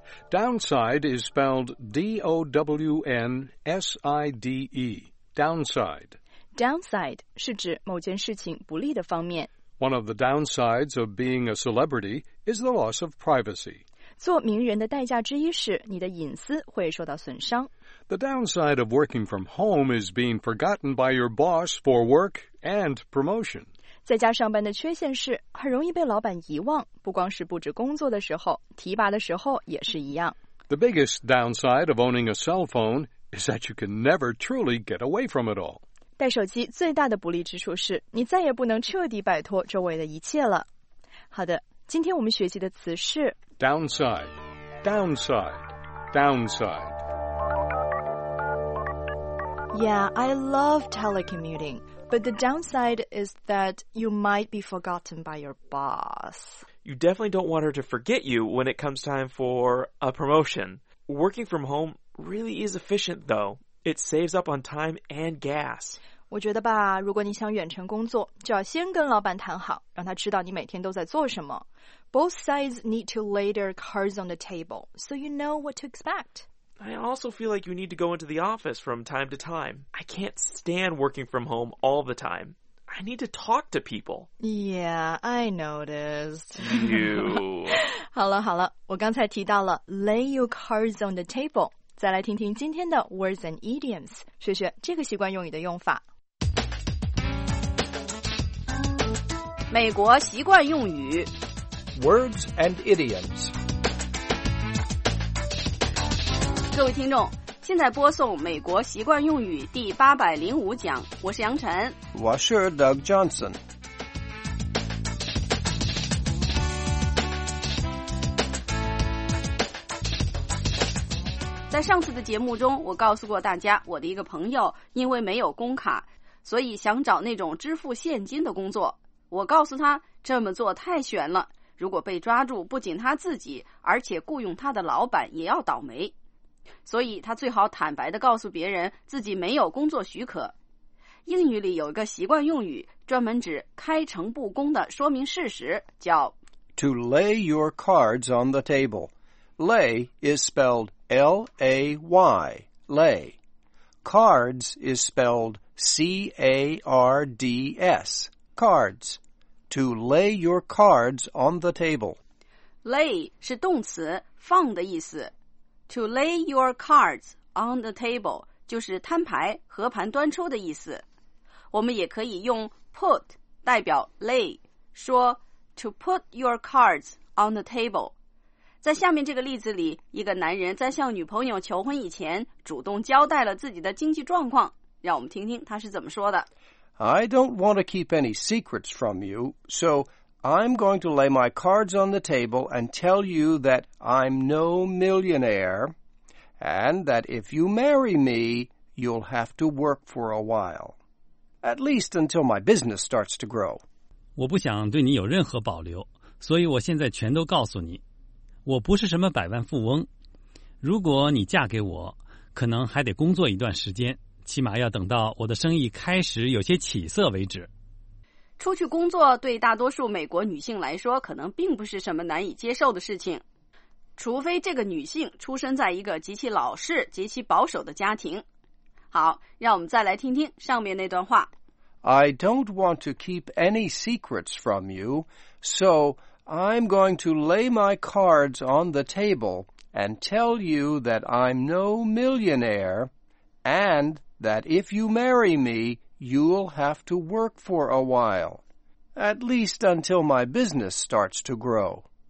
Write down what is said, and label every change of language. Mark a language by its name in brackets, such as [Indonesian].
[English] Downside is spelled D-O-W-N-S-I-D-E. Downside. [Chinese] Downside 是指某件事情不利的方面。 [English] One of the downsides of being a celebrity is the loss of privacy. [Chinese] 做名人的代价之一是你的隐私会受到损伤。 [English] The downside of working from home is being forgotten by your boss for work and promotion. [Chinese] 在家上班的缺陷是很容易被老板遗忘，不光是布置工作的时候，提拔的时候也是一样。 [English] The biggest downside of owning a cell phone is that you can never truly get away from it all. [Chinese] 带手机最大的不利之处是你再也不能彻底摆脱周围的一切了。好的，今天我们学习的词是 [English] downside, downside, downside. Yeah, I love telecommuting, but the downside is that you might be forgotten by your boss. You definitely don't want her to forget you when it comes time for a promotion. Working from home really is efficient, though. It saves up on time and gas. [Chinese] 我觉得吧，如果你想远程工作，就要先跟老板谈好，让他知道你每天都在做什么。 [English] Both sides need to lay their cards on the table, so you know what to expect. I also feel like you need to go into the office from time to time. I can't stand working from home all the time. I need to talk to people. Yeah, I noticed. You. [Chinese] 好了好了，我刚才提到了 [English] lay your cards on the table. [Chinese] 再来听听今天的 Words and Idioms, 学学这个习惯用语的用法。美国习惯用语 [English] Words and Idioms。 [Chinese] 各位听众，现在播送美国习惯用语第805讲，我是杨晨，我是 Doug Johnson。在上次的节目中，我告诉过大家，我的一个朋友因为没有工卡，所以想找那种支付现金的工作。我告诉他，这么做太悬了，如果被抓住，不仅他自己，而且雇佣他的老板也要倒霉。所以他最好坦白地告诉别人自己没有工作许可。英语里有一个习惯用语，专门指开诚布公地说明事实，叫 [English] To lay your cards on the table. Lay is spelledLAY, lay. Cards is spelled CARDS, cards. To lay your cards on the table. [Chinese] Lay 是动词放的意思。 [English] To lay your cards on the table [Chinese] 就是摊牌和盘端出的意思。我们也可以用 put 代表 lay, 说 [English] to put your cards on the table. [Chinese] 在下面这个例子里，一个男人在向女朋友求婚以前，主动交代了自己的经济状况。让我们听听他是怎么说的。 [English] I don't want to keep any secrets from you, so I'm going to lay my cards on the table and tell you that I'm no millionaire, and that if you marry me, you'll have to work for a while. At least until my business starts to grow. [Chinese] 我不想对你有任何保留，所以我现在全都告诉你。我不是什么百万富翁，如果你嫁给我，可能还得工作一段时间，起码要等到我的生意开始有些起色为止。出去工作对大多数美国女性来说可能并不是什么难以接受的事情，除非这个女性出生在一个极其老式极其保守的家庭。好，让我们再来听听上面那段话。 [English] I don't want to keep any secrets from you, soI'm going to lay my cards on the table and tell you that I'm no millionaire, and that if you marry me, you'll have to work for a while, at least until my business starts to grow.